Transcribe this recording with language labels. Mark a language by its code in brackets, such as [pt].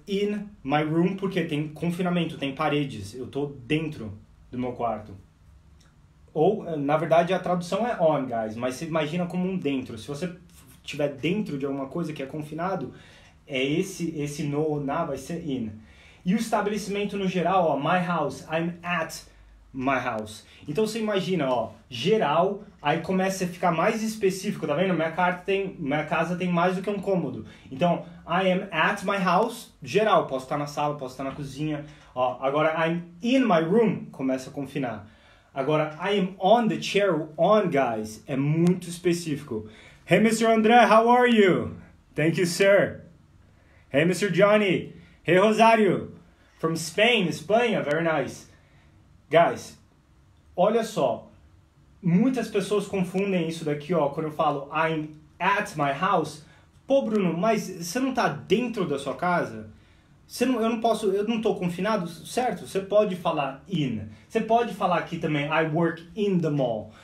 [en] In my room, [pt] porque tem confinamento, tem paredes. Eu estou dentro do meu quarto. Ou, na verdade, a tradução é on, guys. Mas você imagina como um dentro. Se você estiver dentro de alguma coisa que é confinado, é esse no ou na vai ser in. E o estabelecimento no geral, ó, [en] my house, I'm at my house. [pt] Então você imagina, ó, geral, aí começa a ficar mais específico, tá vendo? Minha casa tem mais do que um cômodo. Então, [en] I am at my house, [pt] geral, posso estar na sala, posso estar na cozinha, ó. Agora, [en] I'm in my room, [pt] começa a confinar. Agora, [en] I am on the chair, [pt] on, guys, é muito específico. [en] Hey, Mr. André, how are you? Thank you, sir. Hey, Mr. Johnny. Hey, Rosario. From Spain, Espanha, very nice. [pt] Guys, olha só, muitas pessoas confundem isso daqui, ó, quando eu falo [en] I'm at my house. [pt] Pô, Bruno, mas você não tá dentro da sua casa? Eu não tô confinado? Certo, você pode falar in. Você pode falar aqui também, [en] I work in the mall.